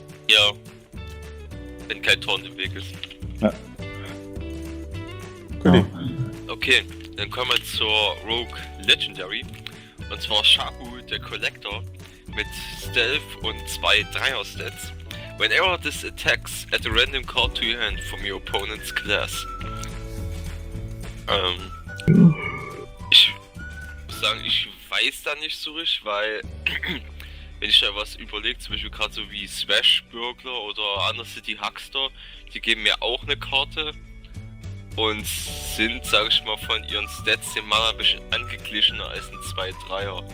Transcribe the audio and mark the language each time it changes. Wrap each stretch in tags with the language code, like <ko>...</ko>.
<de>Ja. Wenn kein Torn im Weg ist. Ja. Ja. Okay, dann kommen wir zur Rogue Legendary. Und zwar Shaku, der Collector, mit Stealth und 2-3er Stats.</de> <en>Whenever this attacks, add a random card to your hand from your opponent's class.</en> <de>Ich muss sagen, ich weiß da nicht so richtig, weil wenn ich da was überlege, zum Beispiel gerade so wie Swash Burglar oder Undercity Huckster, die geben mir auch eine Karte und sind, sag ich mal, von ihren Stats im Mana ein bisschen angeglichener als ein 2-3er.</de>